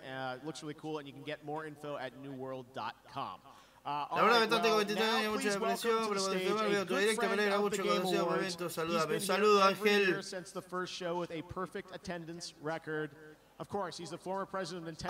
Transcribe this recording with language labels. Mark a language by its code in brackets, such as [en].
[en] It looks really cool, and you can get more info at newworld.com. [es] La verdad que no tengo 23 años, mucha depresión, pero cuando te veo tu directo me alegra mucho, conocido por evento, saludame. Saludo, Ángel. [en] Of course, he's the former president of Nintendo.